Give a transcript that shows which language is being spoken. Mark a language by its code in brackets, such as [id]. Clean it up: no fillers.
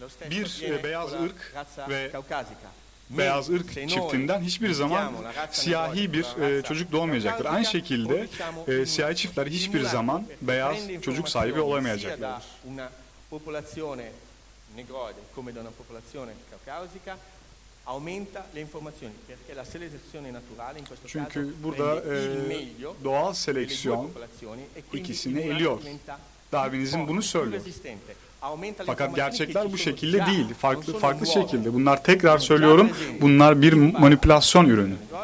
[tr] Bir beyaz ırk ve beyaz ırk çiftinden hiçbir zaman siyahi bir çocuk doğmayacaktır. Aynı şekilde siyahi çiftler hiçbir zaman beyaz çocuk sahibi olamayacaklardır. [it] Una popolazione negroide come da una popolazione caucasica aumenta le informazioni perché la selezione naturale in questo caso prende il meglio [tr] doğal seleksiyon ikisini eliyor. Darwinizm bunu söylüyor. Fakat gerçekler bu şekilde değil, farklı şekilde. Bunlar, tekrar söylüyorum, bunlar bir manipülasyon ürünü.